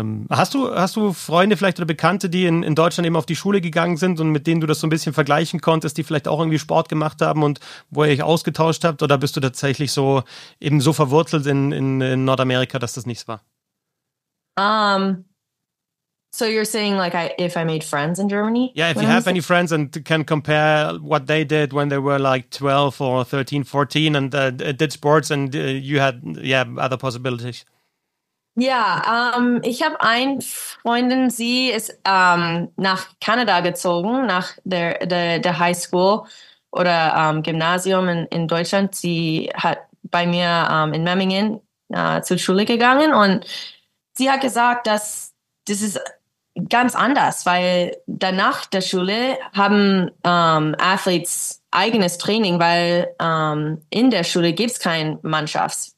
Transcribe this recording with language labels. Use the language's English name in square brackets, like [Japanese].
[German] Hast du Freunde vielleicht oder Bekannte, die in Deutschland eben auf die Schule gegangen sind und mit denen du das so ein bisschen vergleichen konntest, die vielleicht auch irgendwie Sport gemacht haben und wo ihr euch ausgetauscht habt? Oder bist du tatsächlich so eben so verwurzelt in Nordamerika, dass das nichts war? [English] So you're saying, like, if I made friends in Germany? Yeah, if you have any friends and can compare what they did when they were, like, 12 or 13, 14, and did sports, and you had, yeah, other possibilities. [German] Yeah, ich habe eine Freundin, sie ist nach Kanada gezogen, nach der High School oder Gymnasium in Deutschland. Sie hat bei mir in Memmingen zur Schule gegangen, und sie hat gesagt, dass das ist ganz anders, weil danach der Schule haben Athletes eigenes Training, weil in der Schule gibt's keine Mannschaft.